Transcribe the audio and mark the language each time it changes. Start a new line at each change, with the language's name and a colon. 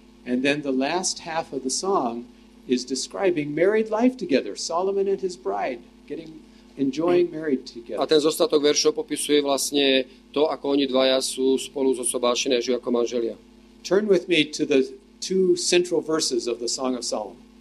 English: And then the last half of the song is describing married life together, Solomon and his bride getting enjoying married together.
Slovak: A ten zostatok veršov popisuje vlastne to, ako oni dvaja sú spolu zosobášené, žijú ako manželia.
English: Turn with me to the two central verses of the Song of Solomon.